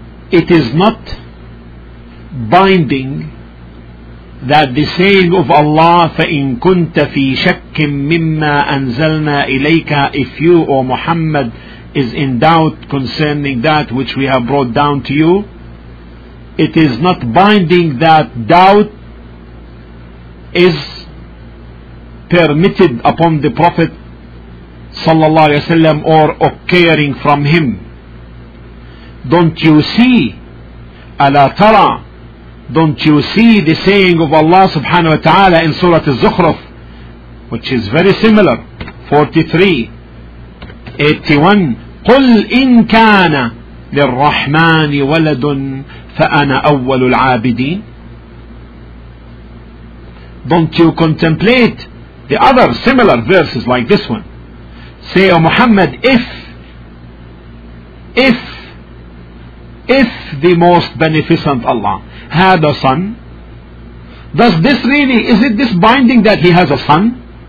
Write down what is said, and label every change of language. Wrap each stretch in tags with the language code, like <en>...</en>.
<en>It is not binding that the saying of Allah,</en> <ar>فَإِن كُنْتَ فِي شَكٍ مِّمَّا أَنزَلْنَا إِلَيْكَ,</ar> <en>if you, O Muhammad, is in doubt concerning that which we have brought down to you, it is not binding that doubt is permitted upon the Prophet sallallahu alayhi wa sallam or occurring from him. Don't you see,</en> <ar>أَلَا تَرَى,</ar> <en>don't you see the saying of Allah subhanahu wa ta'ala in Surah Al-Zukhruf which is very similar.</en> <ar>43 81, قل إن كان للرحمن ولد فأنا أول العابدين.</ar> <en>Don't you contemplate the other similar verses like this one. Say, O Muhammad, if the most beneficent Allah had a son, does this really, is it this binding that he has a son?</en>